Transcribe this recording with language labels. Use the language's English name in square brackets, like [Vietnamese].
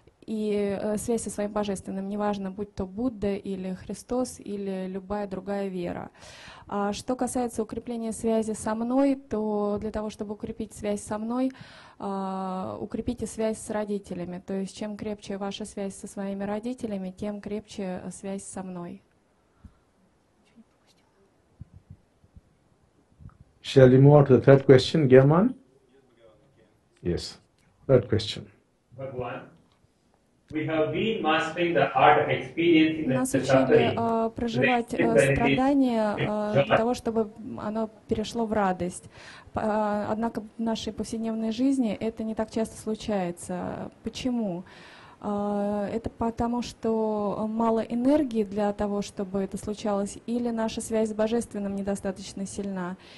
[Russian] И связь со своим божественным, неважно, будь то Будда или Христос, или любая другая вера. А что касается укрепления связи со мной, то для того, чтобы укрепить связь со мной, укрепите связь с родителями. То есть чем крепче ваша связь со своими родителями, тем крепче связь со мной. [English] Shall we move on to the third question, German? Yes, third question. We have been mastering the art of experiencing the suffering. [Russian] Нас учили проживать страдания для того, чтобы оно перешло в радость. Однако в нашей повседневной жизни это не так часто случается. Почему? Это потому, что мало энергии для того, чтобы это случалось, или наша связь с Божественным недостаточно сильна?